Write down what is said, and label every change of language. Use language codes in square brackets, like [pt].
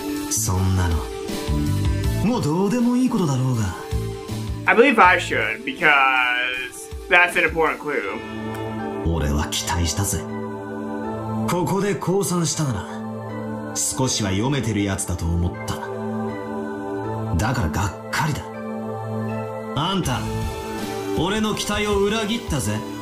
[ja] そんなのもうどうでもいいことだろうが。 [en] I believe I should, because that's an important clue. [ja] 俺は期待したぜ。ここで降参したなら、少しは読めてるやつだと思った。だからがっかりだ。あんた、俺の期待を裏切ったぜ。